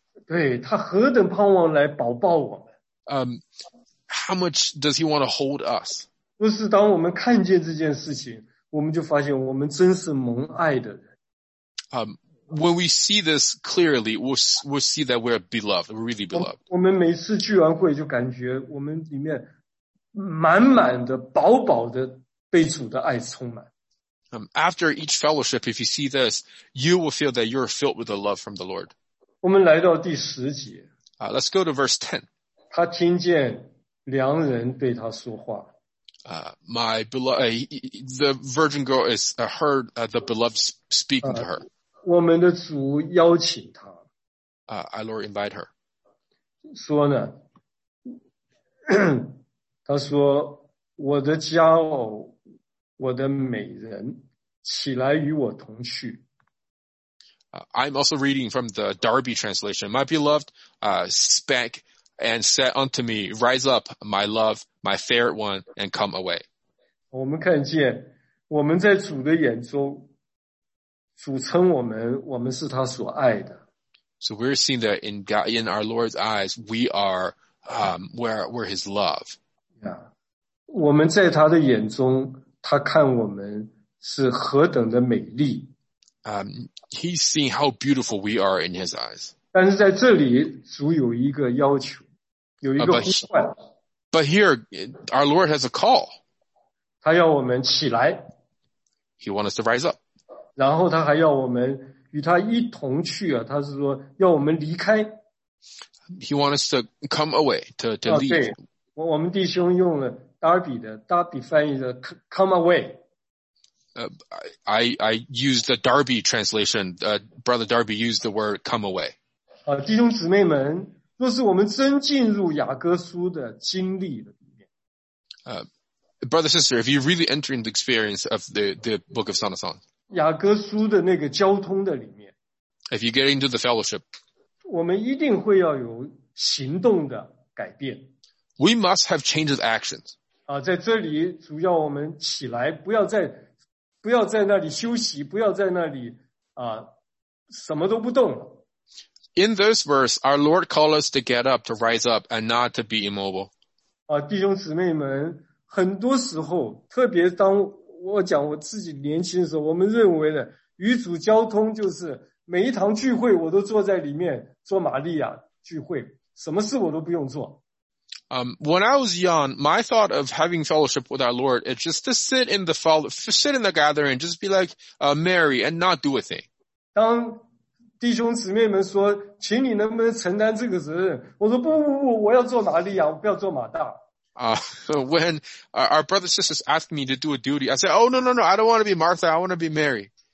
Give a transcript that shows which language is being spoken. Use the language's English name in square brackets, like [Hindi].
[Chinese] 对，他何等盼望来抱抱我们。 [English] How much does he want to hold us? [Chinese] 不是当我们看见这件事情，我们就发现我们真是蒙爱的人。 [English] When we see this clearly, we'll see that we're beloved, we're really beloved. [Chinese] 我们每次聚完会就感觉我们里面满满的、饱饱的被主的爱充满。 [English] After each fellowship, if you see this, you will feel that you're filled with the love from the Lord. [Chinese] 我们来到第十节。 [English] Let's go to verse 10. [Chinese] 他听见良人对他说话。 [English] My beloved, the virgin girl is heard the beloved speaking to her. [Chinese] 我们的主邀请他。 [English] Our Lord invite her. [Chinese] 说呢。他说我的佳偶我的美人起来与我同去。 [English] I'm also reading from the Darby translation. My beloved, spake and said unto me, rise up, my love, my fair one, and come away. [Chinese] 我们看见我们在主的眼中主称我们我们是他所爱的。 [English] So we're seeing that in God, in our Lord's eyes, we are, we're his love. [Chinese] 我们在他的眼中他看我们是何等的美丽。 [English] He's seeing how beautiful we are in his eyes. [Chinese] 但是在这里主有一个要求有一个呼唤。 [English] But here, our Lord has a call. [Chinese] 他要我们起来。 [English] He wants us to rise up. [Chinese] 然后他还要我们与他一同去啊他是说要我们离开。 [English] He wants us to come away, to leave. [Chinese] 我们弟兄用了 Darby 的 Darby 翻译的 [English] come away。 I used the Darby translation. Brother Darby used the word come away. [Chinese] 弟兄姊妹们，若是我们真进入雅各书的经历里 [English] Brother, sister, if you really enter into the experience of the Book of Song of Songs, [Chinese] 雅各书的那个交通的里面, [English] if you get into the fellowship, [Chinese] 我们一定会要有行动的改变。 [English] We must have change of actions. [Chinese] 在这里主要我们起来，不要在那里休息，不要在那里什么都不动。 [English] In this verse, our Lord called us to get up, to rise up, and not to be immobile. [Chinese] 弟兄姊妹们，很多时候，特别当我讲我自己年轻的时候，我们认为的与主交通就是每一堂聚会我都坐在里面做玛利亚聚会，什么事我都不用做。 [English] When I was young, my thought of having fellowship with our Lord is just to sit in the gathering, just be like Mary and not do a thing. [Chinese] 当弟兄姊妹们说，请你能不能承担这个责任？我说不不不，我要做玛利亚，我不要做马大。 [English] When our brothers and sisters asked me to do a duty, I said, oh, no, I don't want to be Martha, I want to be Mary.